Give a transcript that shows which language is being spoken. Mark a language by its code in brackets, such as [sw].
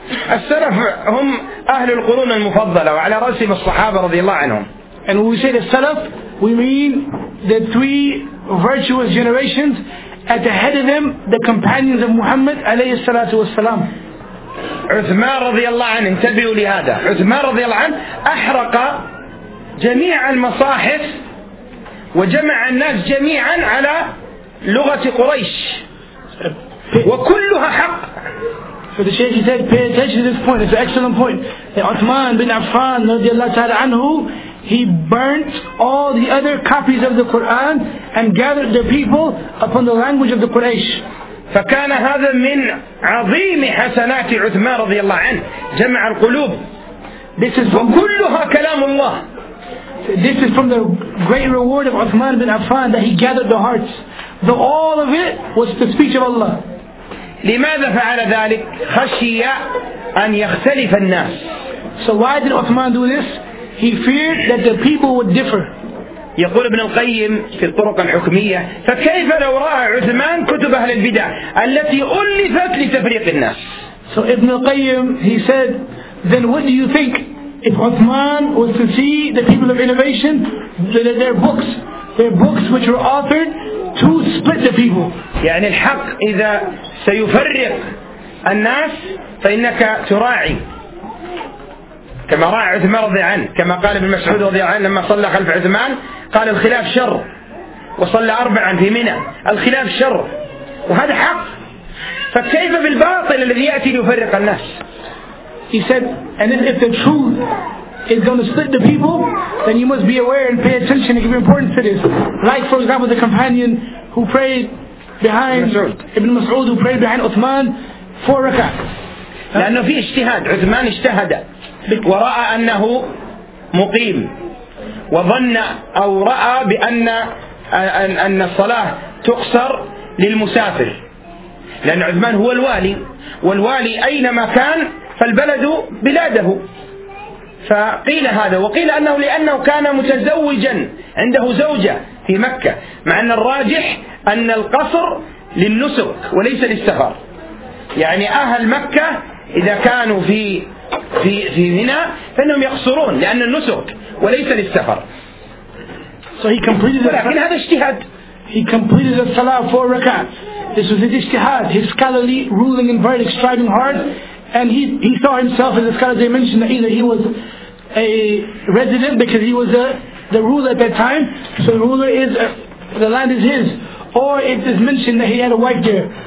[ar] السلف هم أهل القرون المفضلة وعلى رأسهم الصحابة رضي الله عنهم. [en] And when we say the salaf, we mean the three virtuous generations. At the head of them, the companions of Muhammad [ar] عليه الصلاة والسلام. عثمان رضي الله عنه. انتبهوا لهذا. عثمان رضي الله عنه أحرق جميع المصاحف وجمع الناس جميعا على لغة قريش وكلها حق. [en] So the Shaykh said, pay attention to this point. It's an excellent point. Uthman bin Affan [ar] رضي الله تعالى عنه, [en] he burnt all the other copies of the Quran and gathered the people upon the language of the Quraysh. [ar] فكان هذا من عظيم حسنات عثمان رضي الله عنه, جمع القلوب. [en] This is [ar] وكلها كلام الله. [en] This is from the great reward of Uthman bin Affan that he gathered the hearts. Though all of it was the speech of Allah. [ar] لماذا فعل ذلك؟ خشي أن يختلف الناس. [en] So why did Uthman do this? He feared that the people would differ. [ar] يقول ابن القيم في الطرق الحكمية: فكيف لو رأى عثمان كتب أهل البدع التي ألفت لتفريق الناس؟ [en] So Ibn al-Qayyim, he said, then what do you think if Uthman was to see the people of innovation, their books which were authored to split the people? [ar] يعني الحق إذا سيفرق الناس فإنك تراعي كما راعي عثمان رضي عنه، كما قال ابن مسعود رضي عنه لما صلى خلف عثمان قال: الخلاف شر، وصلى أربعا في منى، الخلاف شر، وهذا حق. فكيف بالباطل الذي يأتي ليفرق الناس؟ [en] He said, and if the truth is going to split the people, then you must be aware and pay attention and give importance to this. Like for example, the companion who prayed behind Ibn Mas'ud, who prayed behind Uthman four rak'ah. [ar] لأنه في اجتهاد، عثمان اجتهد ورأى أنه مقيم وظن أو رأى بأن أن الصلاة تقصر للمسافر، لأن عثمان هو الوالي، والوالي أينما كان فالبلد بلاده، فقيل هذا. وقيل أنه لأنه كان متزوجا عنده زوجة في مكة، مع أن الراجح أن القصر للنسك وليس للسفر. يعني أهل مكة إذا كانوا في منى فإنهم يقصرون لأن النسك وليس للسفر. [en] So he completed the [ar] ولكن هذا اجتهاد. [en] He completed the salah four rakats. This was his ijtihad, his scholarly ruling and verdict, striving hard. And he saw himself as a scholar. They mentioned that either he was a resident because he was the ruler at that time. So the ruler is, the land is his. Or it is mentioned that he had a wife there.